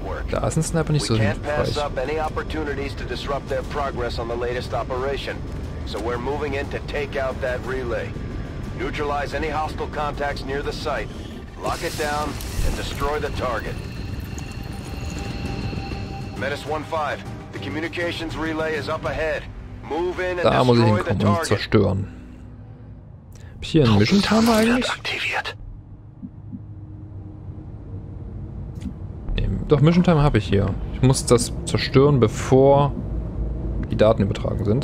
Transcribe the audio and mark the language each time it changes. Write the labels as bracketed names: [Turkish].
[German] Da ist ein Sniper nicht so hilfreich. [English] Neutralize any hostile contacts near the site. Lock it down and destroy the target. Metis 1-5, the communications relay is up ahead. Move in and destroy the target. [German] Da muss ich hinkommen und zerstören. Hab ich hier einen Mission Timer eigentlich? Aktiviert. Nee, doch, Mission Timer habe ich hier. Ich muss das zerstören, bevor die Daten übertragen sind.